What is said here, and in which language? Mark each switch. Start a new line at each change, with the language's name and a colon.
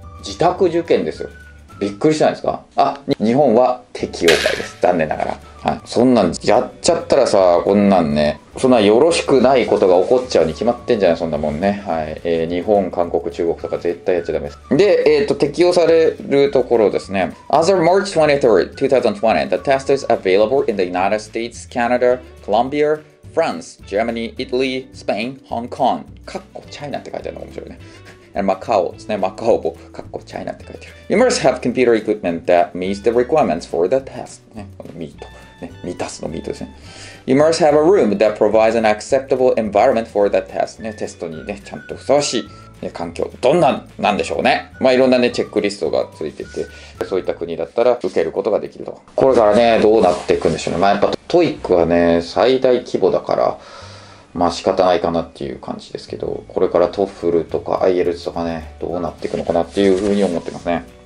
Japanese: 自宅受験ですよ。びっくりしないですか？あ、日本は適用外です。残念ながら。はい、そんなんやっちゃったらさ、こんなんね、そんなよろしくないことが起こっちゃうに決まってんじゃない、そんなもんね。はい、日本、韓国、中国とか絶対やっちゃダメです。で、適用されるところですね。
English: As of March 23rd, 2020, the test is available in the United States, Canada, Colombia, France, Germany, Italy, Spain, Hong Kong.
Japanese: かっこチャイナって書いてあるのが面白いね。 And Macau ですね。 Macau もかっこチャイナって書いてある。
English: You must have computer equipment that meets the requirements for the test.
Japanese: ね、このミート。ね、満たすのミートですね。
English: You must have a room that provides an acceptable environment for the test.
Japanese: ね、テストにね、ちゃんとふさわしい、ね、環境。どんな、なんでしょうね。まあ、いろんなね、チェックリストがついてて、そういった国だったら受けることができると。これからね、どうなっていくんでしょうね。まあ、やっぱ TOEIC はね、最大規模だから、まあ仕方ないかなっていう感じですけど、これから TOEFL とか IELTS とかね、どうなっていくのかなっていうふうに思ってますね。